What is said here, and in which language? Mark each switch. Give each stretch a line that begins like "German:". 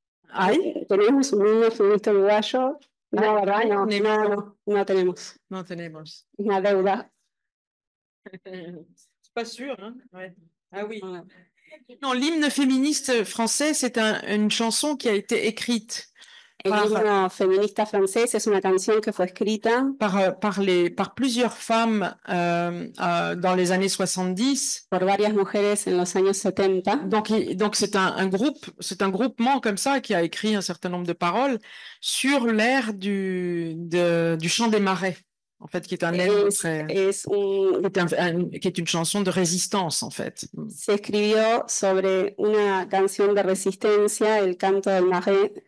French: Ah oui?
Spanish: Tenemos un
French: hymne féministe
Spanish: uruguayo? No, la verdad, no. No tenemos. No tenemos. Una deuda.
French: C'est pas sûr, hein? Ouais. Ah oui. Non, l'hymne féministe français, c'est une chanson qui a été écrite.
Spanish: El himno feminista francés es una canción que fue escrita
French: par plusieurs femmes dans les années 70.
Spanish: Por varias mujeres en los años 70.
French: Donc c'est un groupe, c'est un groupement comme ça qui a écrit un certain nombre de paroles sur l'air du chant des marais, en fait, qui est un air qui est une chanson de résistance, en fait.
Spanish: Se escribió sobre una canción de resistencia, el canto del marais.